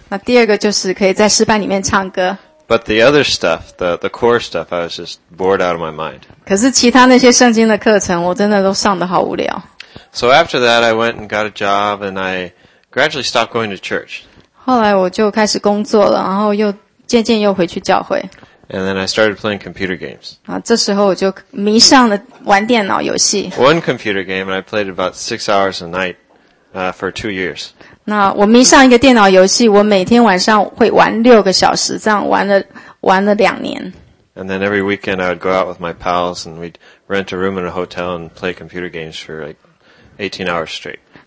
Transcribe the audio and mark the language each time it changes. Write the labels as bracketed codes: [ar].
[zh] 那第二个就是可以在诗班里面唱歌。 [en] But the other stuff, the core stuff, I was just bored out of my mind. [zh] 可是其他那些圣经的课程，我真的都上得好无聊。 [en] So after that, I went and got a job, and I gradually stopped going to church. [zh] 后来我就开始工作了，然后又渐渐又回去教会。 [en] And then I started playing computer games. [zh] 啊，这时候我就迷上了玩电脑游戏。 [en] One computer game, and I played about 6 hours a night, for 2 years. [zh] 那我迷上一个电脑游戏，我每天晚上会玩6个小时，这样玩了两年。 [en] And then every weekend I would go out with my pals and we'd rent a room in a hotel and play computer games for like 18 hours straight.